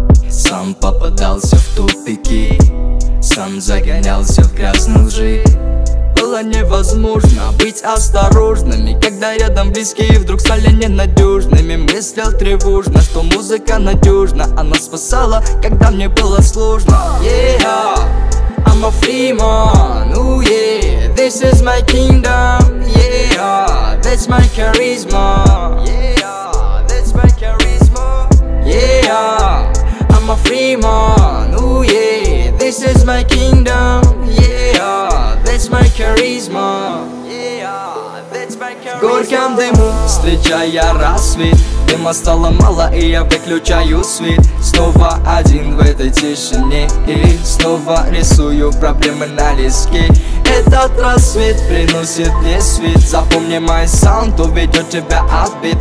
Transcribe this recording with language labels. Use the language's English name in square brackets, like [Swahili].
[Russian] Сам попадался в тупики, сам загонялся в грязные лжи. Было невозможно быть осторожными, когда рядом близкие вдруг стали ненадежными. Мыслил тревожно, что музыка надежна, она спасала, когда мне было сложно. [English] Yeah, I'm a free man, ooh yeah, this is my kingdom. Yeah, that's my charisma. Yeah, that's my charisma. Yeah, I'm a free man, ooh yeah, this is my kingdom. Yeah, that's my charisma. Yeah, that's my charisma. [Russian] В горьком дыму встречая рассвет. Дыма стало мало и я выключаю свет. Снова один в этой тишине и снова рисую проблемы на листке. Этот рассвет приносит мне свет. Запомни мой саунд, уведет тебя отбит.